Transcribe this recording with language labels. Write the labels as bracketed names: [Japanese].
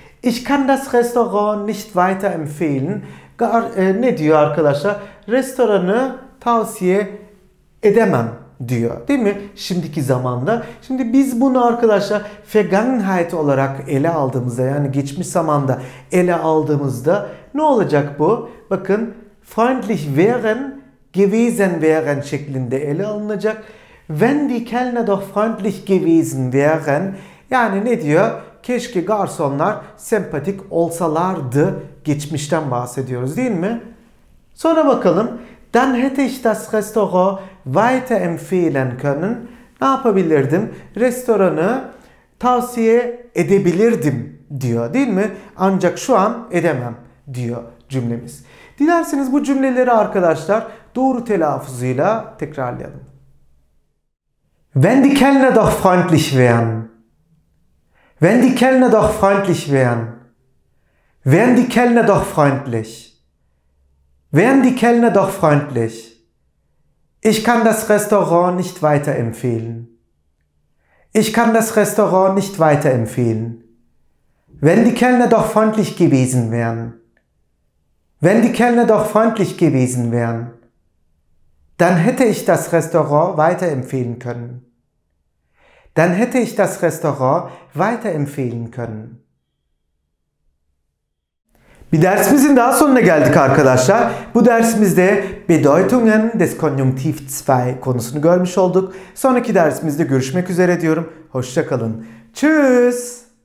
[German] Ich kann das Restaurant nicht weiter empfehlen. [Turkish] Ne diyor arkadaşlar? Restoranı tavsiye edemem diyor. Değil mi? Şimdiki zamanda. Şimdi biz bunu arkadaşlar Vergangenheit olarak ele aldığımızda, yani geçmiş zamanda ele aldığımızda ne olacak bu? Bakın, [German] freundlich wären, gewesen wären [Turkish] şeklinde ele alınacak. [German] Wenn die Kellner doch freundlich gewesen wären, [Turkish] yani ne diyor? Keşke garsonlar sempatik olsalardı. Geçmişten bahsediyoruz, değil mi? Sonra bakalım. [German] Dann hätte ich das Restaurant weiter empfehlen können. [Turkish] Ne yapabilirdim? Restoranı tavsiye edebilirdim diyor, değil mi? Ancak şu an edemem diyor cümlemiz. Dilerseniz bu cümleleri arkadaşlar doğru telaffuzuyla tekrarlayalım. [German] Wenn die Kellner doch freundlich wären. Wenn die Kellner doch freundlich wären. Wären die Kellner doch freundlich. Wären die Kellner doch freundlich. Ich kann das Restaurant nicht weiterempfehlen. Ich kann das Restaurant nicht weiterempfehlen. Wenn die Kellner doch freundlich gewesen wären. Wenn die Kellner doch freundlich gewesen wären. Dann hätte ich das Restaurant weiterempfehlen können. Dann hätte ich das Restaurant weiterempfehlen können. [Turkish] Bir dersimizin daha sonuna geldik arkadaşlar. Bu dersimizde Bedeutungen des Konjunktiv 2 konusunu görmüş olduk. Sonraki dersimizde görüşmek üzere diyorum. Hoşça kalın. Tschüss.